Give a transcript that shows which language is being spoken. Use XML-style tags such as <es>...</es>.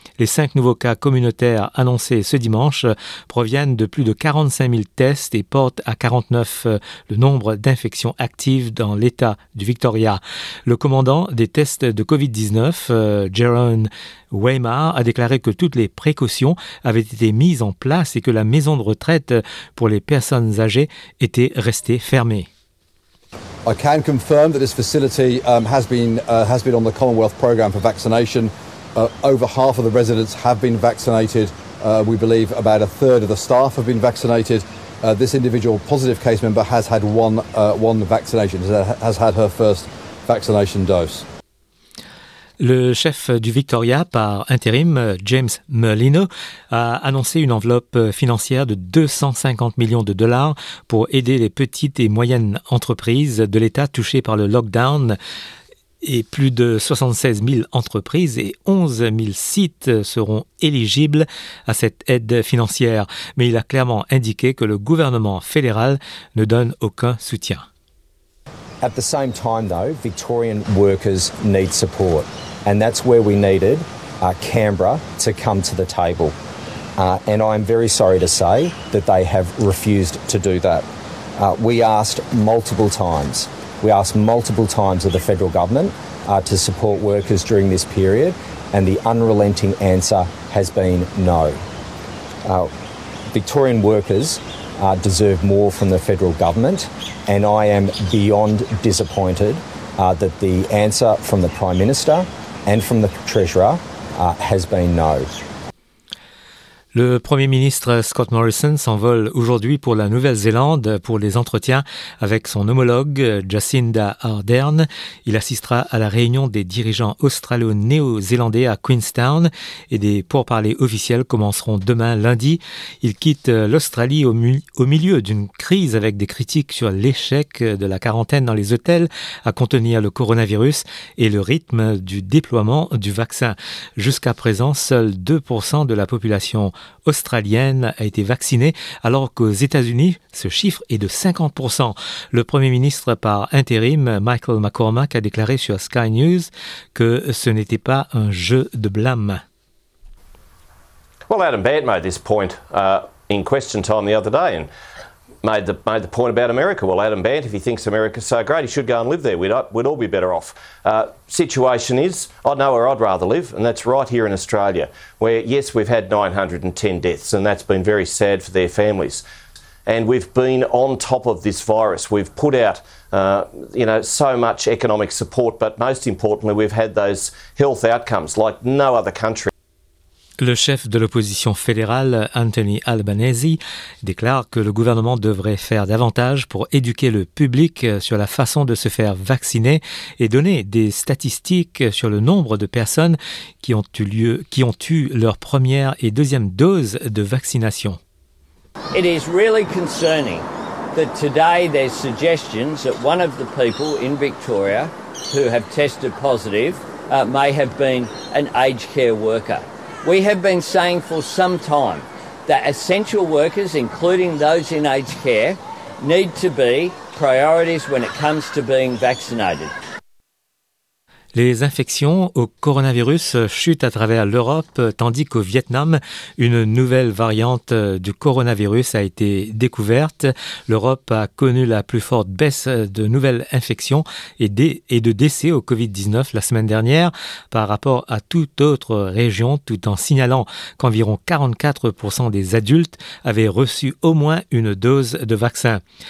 <fr>Les 5 nouveaux cas communautaires annoncés ce dimanche proviennent de plus de 45 000 tests et portent à 49 le nombre d'infections actives dans l'État du Victoria. Le commandant des tests de COVID-19, Jerome Waymar, a déclaré que toutes les précautions avaient été mises en place et que la maison de retraite pour les personnes âgées était restée fermée.</fr> <en>I can confirm that this facility has been on the Commonwealth program for vaccination. Over half of the residents have been vaccinated. We believe about a third of the staff have been vaccinated. This individual positive case member has had one vaccination, has had her first vaccination dose.</en> <fr>Le chef du Victoria par intérim, James Merlino, a annoncé une enveloppe financière de 250 millions de dollars pour aider les petites et moyennes entreprises de l'État touchées par le lockdown. Et plus de 76 000 entreprises et 11 000 sites seront éligibles à cette aide financière. Mais il a clairement indiqué que le gouvernement fédéral ne donne aucun soutien.</fr> <en>At the same time, though, Victorian workers need support, and that's where we needed Canberra to come to the table. And I'm very sorry to say that they have refused to do that. We asked multiple times. We asked multiple times of the federal government to support workers during this period, and the unrelenting answer has been no. Victorian workers deserve more from the federal government, and I am beyond disappointed that the answer from the Prime Minister and from the Treasurer has been no.</en> <fr>Le Premier ministre Scott Morrison s'envole aujourd'hui pour la Nouvelle-Zélande pour les entretiens avec son homologue Jacinda Ardern. Il assistera à la réunion des dirigeants australo-néo-zélandais à Queenstown et des pourparlers officiels commenceront demain lundi. Il quitte l'Australie au milieu d'une crise avec des critiques sur l'échec de la quarantaine dans les hôtels à contenir le coronavirus et le rythme du déploiement du vaccin. Jusqu'à présent, seuls 2% de la population australienne a été vaccinée, alors qu'aux États-Unis, ce chiffre est de 50%. Le Premier ministre par intérim, Michael McCormack, a déclaré sur Sky News que ce n'était pas un jeu de blâme.</fr> <en>Well, Adam Bant made this point in Question Time the other day and made the point about America. Well, Adam Bant, if he thinks America's so great, he should go and live there. We'd all be better off. Situation is, I'd know where I'd rather live, and that's right here in Australia, where, yes, we've had 910 deaths, and that's been very sad for their families. And we've been on top of this virus. We've put out, so much economic support, but most importantly, we've had those health outcomes like no other country.</en> <fr>Le chef de l'opposition fédérale, Anthony Albanese, déclare que le gouvernement devrait faire davantage pour éduquer le public sur la façon de se faire vacciner et donner des statistiques sur le nombre de personnes qui ont eu leur première et deuxième dose de vaccination.</fr> <en>It is really concerning that today there's suggestions that one of the people in Victoria who have tested positive may have been an aged care worker. We have been saying for some time that essential workers, including those in aged care, need to be priorities when it comes to being vaccinated.</en> <fr>Les infections au coronavirus chutent à travers l'Europe, tandis qu'au Vietnam, une nouvelle variante du coronavirus a été découverte. L'Europe a connu la plus forte baisse de nouvelles infections et de décès au Covid-19 la semaine dernière par rapport à toute autre région, tout en signalant qu'environ 44% des adultes avaient reçu au moins une dose de vaccin.</fr>